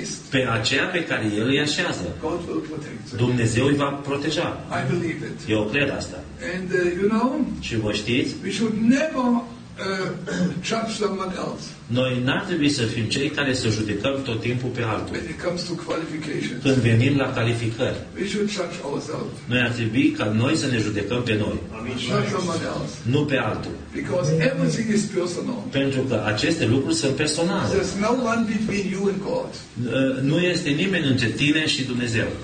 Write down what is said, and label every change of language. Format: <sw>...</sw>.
<ro>Pe aceea pe care el îi așează, Dumnezeu îi va proteja. Eu cred asta.</ro> <en>And, you know,</en> <ro>și vă știți,</ro> <en>we should never, judge someone else.</en> <ro>Noi n-ar trebui să fim cei care să judecăm tot timpul pe altul.</ro> <en>When it comes to qualifications,</en> <ro>când venim la calificări,</ro> <en>we should judge ourselves.</en> <ro>Noi ar trebui ca noi să ne judecăm pe noi. Nu pe altul.</ro> <en>Because everything is personal.</en> <ro>Pentru că aceste lucruri sunt personale.</ro> <en>There's no one between you and God.</en> <ro>Nu este nimeni între tine și Dumnezeu.</ro>